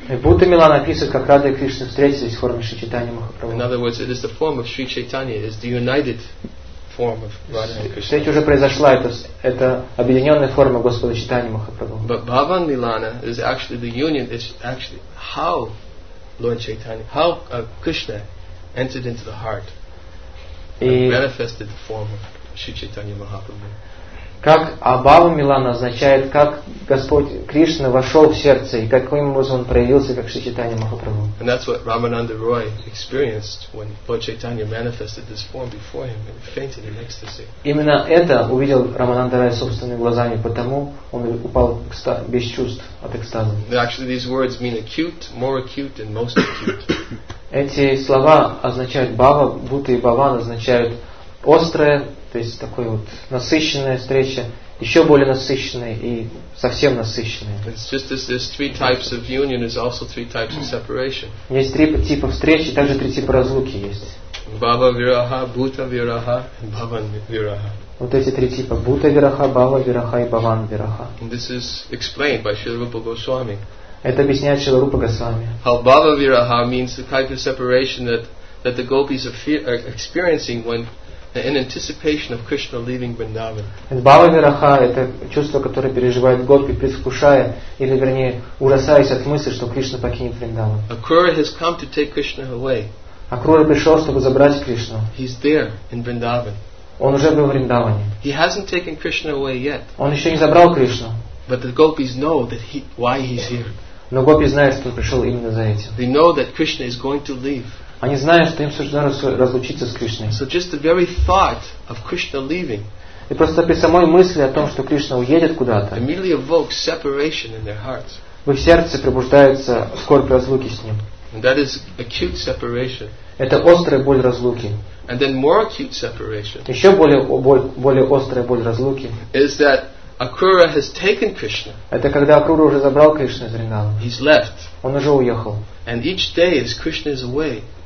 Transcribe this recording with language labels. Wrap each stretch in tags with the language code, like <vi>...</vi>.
<ru>Bhuta Milana описывает, как Радха и Кришна встретились в форме Шри Чайтанья Махапрабху.</ru> <en>In other words, it is the form of Sri Chaitanya, it is the united form of Radha and Krishna.</en> <ru>Встреча уже произошла, это объединенная форма Господа Чайтанья Махапрабху.</ru> <en>But Bhavan Milana is actually the union, it's actually how Lord Chaitanya, how Krishna entered into the heart and manifested the form of Sri Chaitanya Mahaprabhu.</en> <ru>Как Абава Милана означает, как Господь Кришна вошел в сердце и каким образом он проявился как Шри Чайтанья Махапрабху.</ru> <en>And that's what Ramananda Roy experienced when Lord Chaitanya manifested this form before him and fainted in ecstasy.</en> <ru>Именно это увидел Рамананда Рай собственными глазами, потому он упал без чувств от экстаза.</ru> <en>Actually, these words mean acute, more acute, and most acute.</en> <ru>Эти слова означают Бава, Бута и Баван означают острое. То есть такой вот насыщенная встреча, еще более насыщенная и совсем насыщенная.</ru> <en>It's just as there's three types of union, there's also three types of separation.</en> <ru>Есть три типа встречи, также три типа разлуки есть.</ru> <sa>Bhava viraha, Bhuta viraha, and Bhavan viraha.</sa> <ru>Вот эти три типа: Бута Вираха, Бава Вираха и Баван Вираха.</ru> <en>And this is explained by Śrīla Rūpa Gosvāmī.</en> <ru>Это объясняет Śrīla Rūpa Gosvāmī.</ru> <en>How Bava Viraha means the type of separation that the gopis are experiencing when in anticipation of Krishna leaving Vrindavan.</en> <ru>Бава Вираха — это чувство, которое переживает гопи, предвкушая, или вернее, ужасаясь от мысли, что Кришна покинет Вриндаван. Акура has come to take Krishna away. Акура пришел, чтобы забрать Кришну.</ru> <en>He's there in Vrindavan.</en> <ru>Он уже был в Вриндаване.</ru> <en>He hasn't taken Krishna away yet.</en> <ru>Он еще не забрал Кришну.</ru> <en>But the gopis know that why he's here.</en> <ru>Но гопи знают, что он пришел именно за этим.</ru> <en>They know that Krishna is going to leave.</en> <ru>Они знают, что им суждено разлучиться с Кришной.</ru> <en>So just the very thought of Krishna leaving.</en> <ru>И просто при самой мысли о том, что Кришна уедет куда-то,</ru> <en>immediately evokes separation in their hearts.</en> <ru>В их сердце пробуждается скорбь разлуки с ним.</ru> <en>And that is acute separation.</en> <ru>Это острая боль разлуки.</ru> <en>And then more acute separation.</en> <ru>Еще более острая боль разлуки.</ru> <en>Is that Akura has taken Krishna.</en> <ru>Это когда Акура уже забрал Кришну из Вриндавана.</ru> <en>He's left.</en> <ru>Он уже уехал.</ru> <en>And each day as Krishna is away.</en>